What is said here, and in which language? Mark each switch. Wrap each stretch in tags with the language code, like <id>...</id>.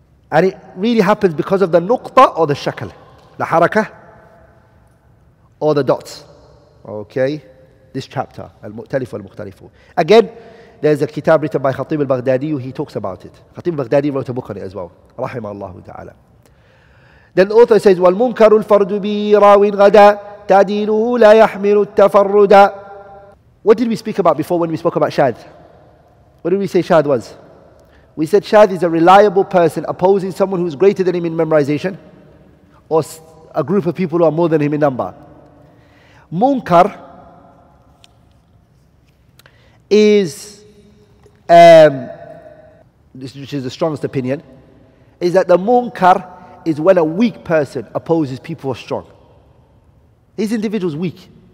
<en>And it really happens because of the nuqta or the shakal, the haraka or the dots. Okay? This chapter, Al-Mu'talif wal-Mukhtalifu. Again, there's a kitab written by Khatib al-Baghdadi, he talks about it. Khatib al-Baghdadi wrote a book on it as well. Rahim Allahu ta'ala. Then the author says,</en> <ar>وَالْمُنْكَرُ الْفَرْدُ بِي رَاوِنْ غَدَى تَعْدِيلُهُ لَا يَحْمِلُ التَّفَرُّدَى.</ar> <en>What did we speak about before when we spoke about Shad? What did we say Shad was? We said Shad is a reliable person opposing someone who is greater than him in memorization or a group of people who are more than him in number. Munkar is, which is the strongest opinion, is that the munkar is when a weak person opposes people who are strong. This individual is weak.</en>